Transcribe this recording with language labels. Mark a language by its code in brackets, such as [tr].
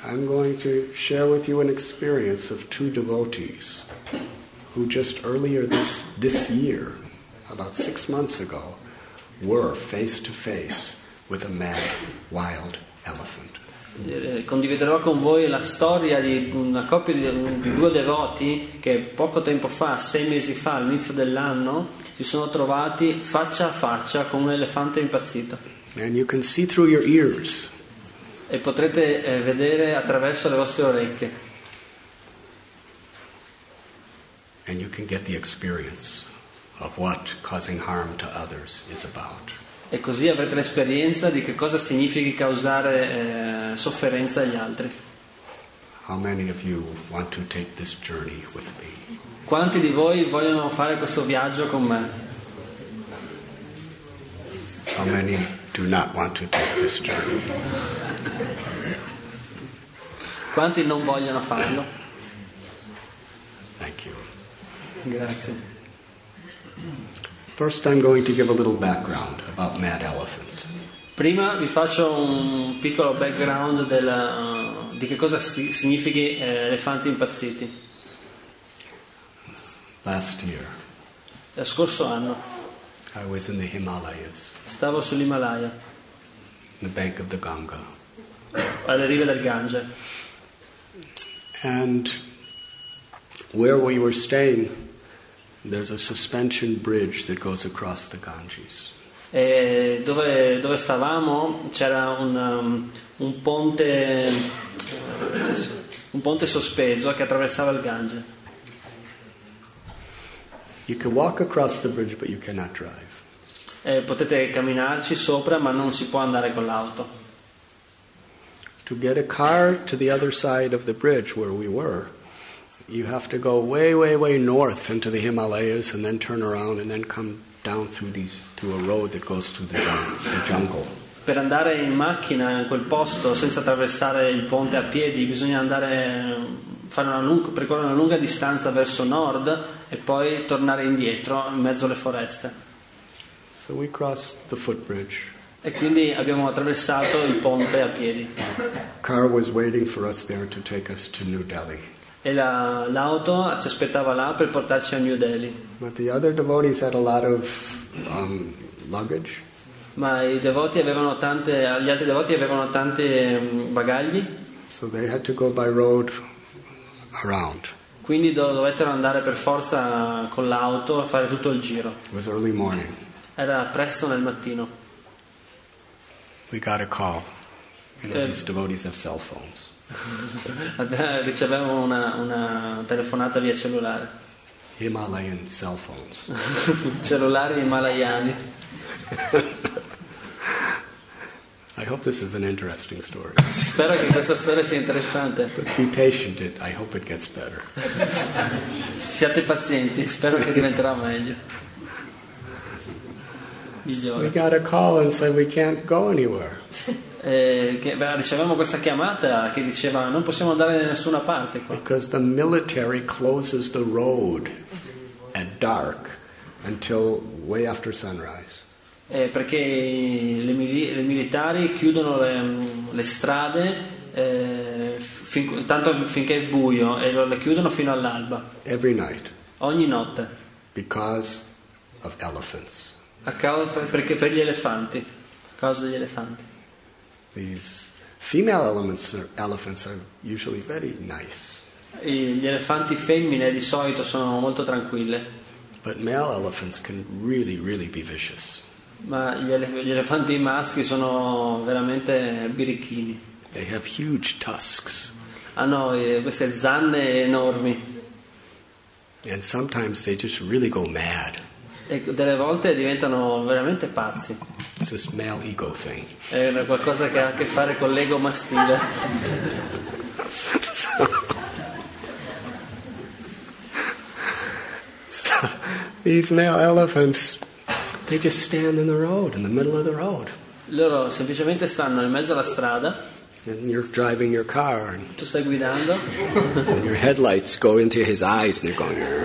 [en] I'm going to share with you an experience of two devotees who just earlier this year, about 6 months ago, were face to face with a mad wild elephant. [it] Condividerò con voi la storia di una coppia di due devoti che poco tempo fa, 6 mesi fa, all'inizio dell'anno, si sono trovati faccia a faccia con un elefante impazzito. [en] And you can see through your ears. [it] E potrete vedere attraverso le vostre orecchie. [en] And you can get the experience of what causing harm to others is about. [it] E così avrete l'esperienza di che cosa significa causare sofferenza agli altri. [en] How many of you want to take this journey with me? [it] Quanti di voi vogliono fare questo viaggio con me? [en] How many do not want to take this journey? [it] Quanti non vogliono farlo? [en] Thank you. [it] Grazie. [en] First I'm going to give a little background about mad elephants. [it] Prima vi faccio un piccolo background di che cosa significhi elefanti impazziti. [en] Last year. [it] Lo scorso anno. [en] I was in the Himalayas. [it] Stavo sull'Himalaya. [en] The bank of the Ganga. [it] Alle rive del Gange. [en] And where we were staying, there's a suspension bridge that goes across the Ganges. [it] E dove stavamo c'era un ponte sospeso che attraversava il Gange. [en] You can walk across the bridge, but you cannot drive. [it] E potete camminarci sopra, ma non si può andare con l'auto. [en] To get a car to the other side of the bridge where we were, you have to go way, way, way north into the Himalayas and then turn around and then come down through a road that goes through the jungle. [it] Per andare in macchina in quel posto senza attraversare il ponte a piedi bisogna andare percorrere una lunga distanza verso nord e poi tornare indietro in mezzo alle foreste. [en] So we crossed the footbridge. [it] E quindi abbiamo attraversato il ponte a piedi. [en] Car was waiting for us there to take us to New Delhi. [it] E l'auto ci aspettava là per portarci a New Delhi. [en] But the other devotees had a lot of luggage. [it] Ma i devoti avevano tante, gli altri devoti avevano tanti bagagli. [en] So they had to go by road around. [it] Quindi dovettero andare per forza con l'auto a fare tutto il giro. [en] It was early morning. [it] Era presto nel mattino. [en] We got a call. You know, these devotees have cell phones. [it] Ricevevamo una telefonata via cellulare. [en] Himalayan cell phones. [it] Cellulari himalayani. [en] I hope this is an interesting story. [it] Spero che questa storia sia interessante. [en] Be patient, I hope it gets better. [it] Siate pazienti, spero che diventerà meglio. [en] We got a call and said we can't go anywhere. [it] Ricevemmo questa chiamata che diceva non possiamo andare da nessuna parte qua. [en] Because the military closes the road at dark until way after sunrise. [it] Perché i militari chiudono le strade finché è buio e le chiudono fino all'alba. [en] Every night. [it] Ogni notte. [en] Because of elephants. [it] A causa perché per gli elefanti. A causa degli elefanti. [en] These female elephants are usually very nice. [it] Gli elefanti femmine di solito sono molto tranquille. [en] But male elephants can really, really be vicious. [it] Ma gli elefanti maschi sono veramente birichini. [en] They have huge tusks. [it] Hanno queste zanne enormi. [en] And sometimes they just really go mad. [it] E delle volte diventano veramente pazzi. [en] It's this male ego thing. [it] È qualcosa che ha a che fare con l'ego maschile. [en] So, these male elephants, they just stand in the road, in the middle of the road. [it] Loro semplicemente stanno in mezzo alla strada. [en] And you're driving your car. And [it] tu stai guidando. [en] And your headlights go into his eyes, and they're going.